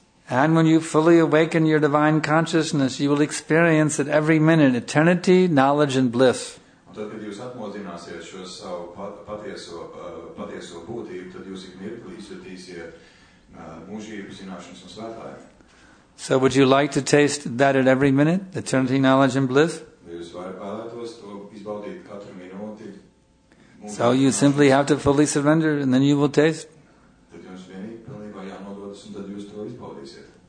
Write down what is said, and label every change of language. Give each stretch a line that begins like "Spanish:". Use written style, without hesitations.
English: And when you fully awaken your divine consciousness, you will experience at every minute eternity, knowledge, and bliss.
Latvian: tad, kad jūs atmodzināsiet šo savu patieso būtību, tad jūs ik mirkli izjutīsiet mūžību zināšanas un svētājumu.
English: So would you like to taste that at every minute, eternity knowledge and bliss?
Latvian: Jūs vēlētos to izbaudīt katru minūti.
English: So you simply have to fully surrender and then you will taste.
Latvian: Tad jums vienī pilnībā jānododas un tad jūs to izbaudīsiet.